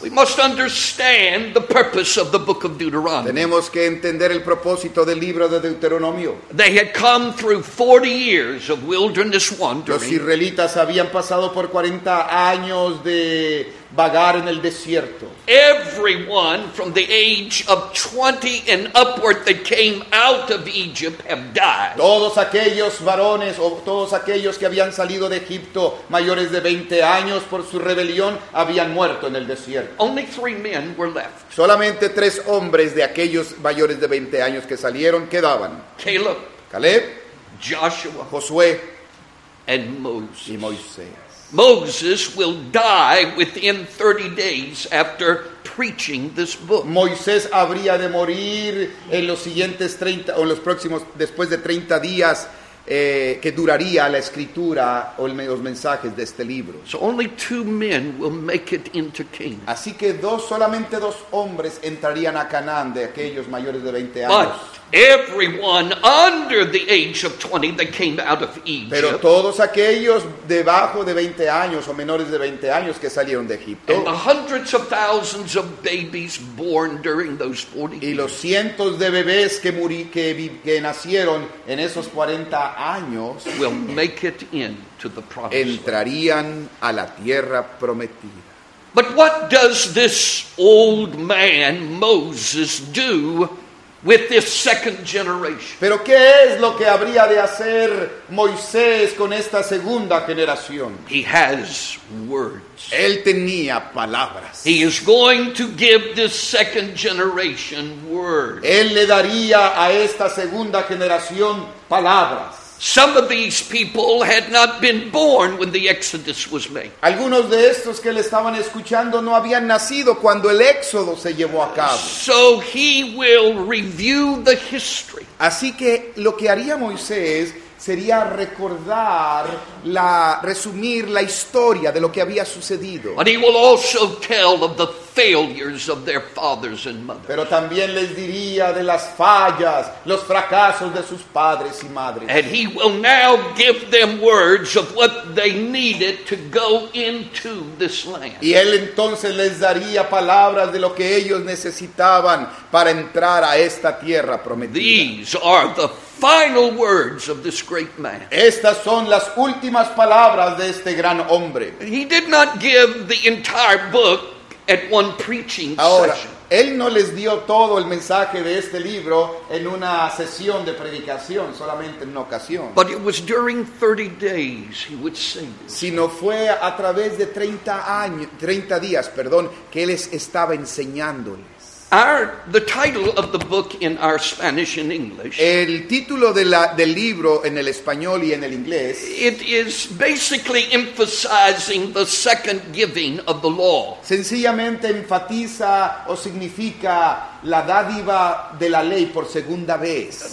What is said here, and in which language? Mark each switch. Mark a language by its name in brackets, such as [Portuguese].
[English] We must understand the purpose of the book of Deuteronomy. [Spanish] Tenemos que entender el propósito del libro de Deuteronomio. [English] They had come through 40 years of wilderness wandering. [Spanish] Los israelitas habían pasado por 40 años de vagar en el desierto. [English] Everyone from the age of 20 and upward that came out of Egypt have died. [Spanish] Todos aquellos varones o todos aquellos que habían salido de Egipto mayores de 20 años por su rebelión habían muerto en el desierto. [English] Only 3 men were left. [Spanish] Solamente 3 hombres de aquellos mayores de 20 años que salieron quedaban. [English] Caleb, Joshua, [Spanish] Josué, [English] and Moses. [Spanish] Y Moisés. [English] Moses will die within 30 days after preaching this book. [Spanish] Moisés habría de morir en los siguientes 30 o en los próximos después de 30 días que duraría la escritura o los mensajes de este libro. [English] So only 2 men will make it into Canaan. [Spanish] Así que solamente dos hombres entrarían a Canaán de aquellos mayores de 20 años. [English] But everyone under the age of 20 that came out of Egypt. [Spanish] Pero todos aquellos debajo de 20 años o menores de 20 años que salieron de Egipto. [English] And the hundreds of thousands of babies born during those 40 years. [Spanish] Y los cientos de bebés que nacieron en esos 40 años [English] will make it into the promised land. [Spanish] Entrarían a la tierra prometida. [English] But what does this old man Moses do with this second generation? [Spanish] Pero ¿qué es lo que habría de hacer Moisés con esta segunda generación? [English] He has words. [Spanish] Él tenía palabras. [English] He is going to give this second generation words. [Spanish] Él le daría a esta segunda generación palabras. [English] Some of these people had not been born when the Exodus was made. [Spanish] Algunos de estos que le estaban escuchando no habían nacido cuando el Éxodo se llevó a cabo. [English] So he will review the history. [Spanish] Así que lo que haría Moisés sería recordar resumir la historia de lo que había sucedido. [English] And he will also tell of the failures of their fathers and mothers. [Spanish] Pero también les diría de las fallas, los fracasos de sus padres y madres. [English] And he will now give them words of what they needed to go into this land. [Spanish] Y él entonces les daría palabras de lo que ellos necesitaban para entrar a esta tierra prometida. [English] These are the final words of this great man. [Spanish] Estas son las últimas palabras de este gran hombre. [English] He did not give the entire book at one preaching [Spanish] Ahora, [English] session. [Spanish] Él no les dio todo el mensaje de este libro en una sesión de predicación, solamente en una ocasión. [English] But it was during 30 days he would sing. [Spanish] Sino fue a través de 30 días, que él les estaba enseñándoles. [English] The title of the book in our Spanish and English. [Spanish] El título del libro en el español y en el inglés. [English] It is basically emphasizing the second giving of the law. [Spanish] Sencillamente enfatiza o significa la dádiva de la ley por segunda vez.